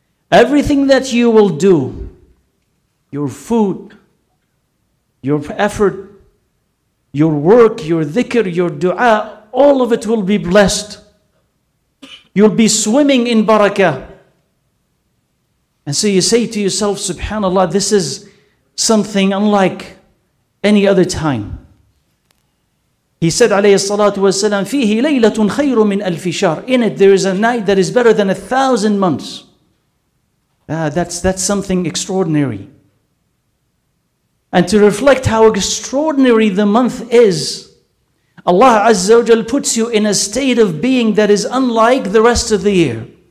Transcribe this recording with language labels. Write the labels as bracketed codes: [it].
[en] Everything that you will do, your food, your effort, your work, your dhikr, your dua, all of it will be blessed. You'll be swimming in barakah. And so you say to yourself, subhanAllah, this is something unlike any other time. He said, [ar] alayhi salatu wasalam, فِيهِ لَيْلَةٌ خَيْرٌ مِنْ أَلْفِ شَهْرٍ. [en] In it, there is a night that is better than 1,000 months. That's something extraordinary. And to reflect how extraordinary the month is, Allah Azza wa Jal puts you in a state of being that is unlike the rest of the year.